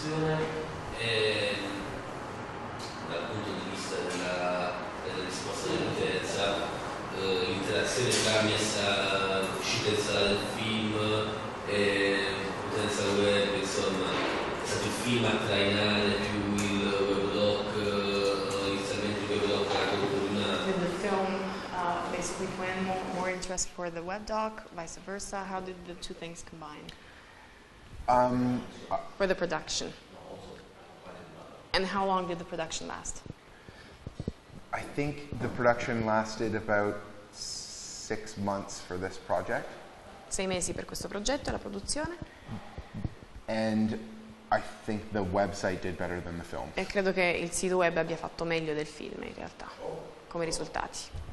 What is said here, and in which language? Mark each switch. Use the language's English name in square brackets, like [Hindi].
[Italian] Dal punto di vista della risposta dell'utenza, l'interazione tra l'uscita in sala del film e l'utenza web, insomma, è stato il film a trainare più il weblog, inizialmente il weblog era come una... [English] With the film, basically, when more interest for the webdoc, vice versa, how did the two things combine? For the production. And how long did the production last? I think the production lasted about 6 months for this project. [Italian] 6 mesi per questo progetto, la produzione. [English] And I think the website did better than the film. [Italian] E credo che il sito web abbia fatto meglio del film, in realtà, come risultati.